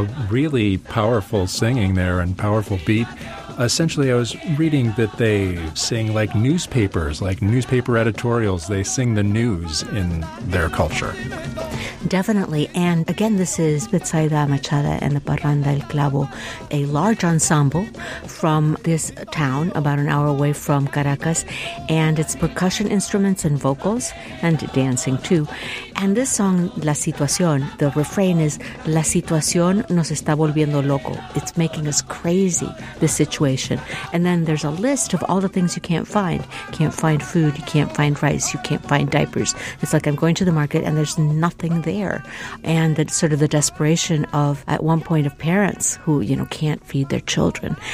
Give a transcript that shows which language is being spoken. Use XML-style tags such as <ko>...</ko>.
<en>Really powerful singing there and powerful beat. Essentially, I was reading that they sing like newspapers, like newspaper editorials. They sing the news in their culture. Definitely. And again, this is Betsaida Machada and the Parranda El Clavo, a large ensemble from this town about an hour away from Caracas. And it's percussion instruments and vocals and dancing too. And this song, La Situación, the refrain is</en> <es>La Situación nos está volviendo loco.</es> <en>It's making us crazy, the situation. And then there's a list of all the things you can't find. You can't find food. You can't find rice. You can't find diapers. It's like I'm going to the market and there's nothing there. And that's sort of the desperation of, at one point, of parents who, you know, can't feed their children.</en>